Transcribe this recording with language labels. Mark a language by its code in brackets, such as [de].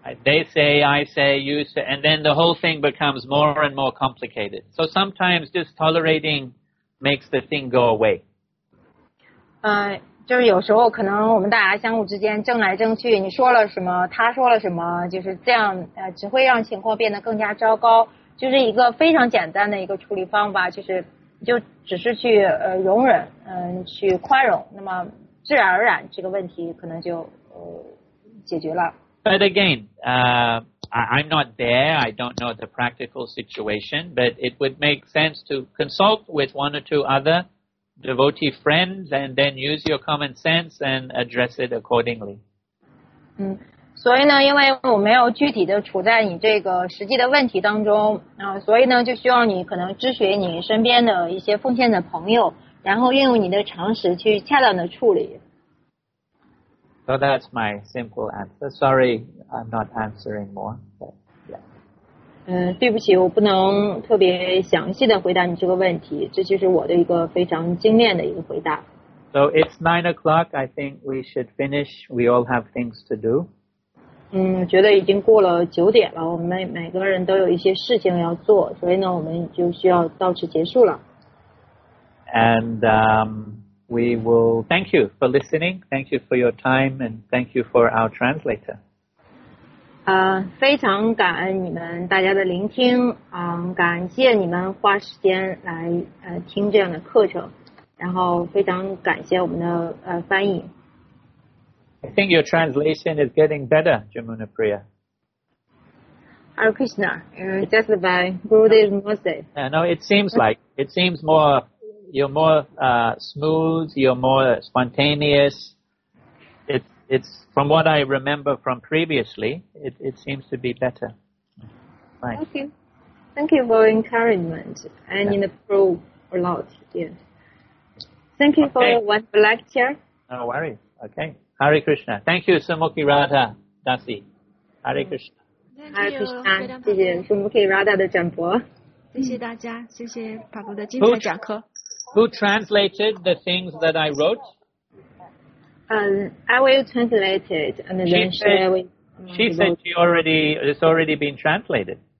[en] They say, I say, you say, and then the whole thing becomes more and more complicated. So sometimes just tolerating makes the thing go away. [zh] 就是有时候可能我们大家相互之间争来争去，你说了什么，他说了什么，就是这样，只会让情况变得更加糟糕。就是一个非常简单的一个处理方法，就是就只是去容忍，去宽容，那么自然而然这个问题可能就解决了。 [en] But again, I'm not there. I don't know the practical situation, but it would make sense to consult with one or two other devotee friends and then use your common sense and address it accordingly. [zh] 所以呢，因为我没有具体的处在你这个实际的问题当中，所以呢，就需要你可能咨询你身边的一些奉献的朋友，然后运用你的常识去恰当的处理。 [en] So that's my simple answer. Sorry, I'm not answering more. Yeah. [zh] 对不起，我不能特别详细的回答你这个问题，这就是我的一个非常精炼的一个回答。 [en] So it's 9 o'clock. I think we should finish. We all have things to do. [zh] 觉得已经过了九点了，我们每个人都有一些事情要做，所以呢，我们就需要到此结束了。 [en] And we will thank you for listening, thank you for your time, and thank you for our translator. [zh] 非常感恩你们大家的聆听，感谢你们花时间来听这样的课程，然后非常感谢我们的翻译。 [en] I think your translation is getting better, Jamuna Priya. Hare Krishna, just by Gurudev Mose. No, it seems like, it seems more, you're more smooth, you're more spontaneous. It's from what I remember from previously, it seems to be better. Fine. Thank you. Thank you for your encouragement and in the pro a lot. Yeah. Thank you for your wonderful lecture. No worries. Okay. Hare Krishna. Thank you, Sumukhi Radha Dasi. Hare Krishna. [zh] Hare Krishna. 谢谢 Sumukhi Radha 的讲播。谢谢大家，谢谢帕布的精彩讲课。 [en] Who translated the things that I wrote? I will translate it and then share with. She said she already it's already been translated.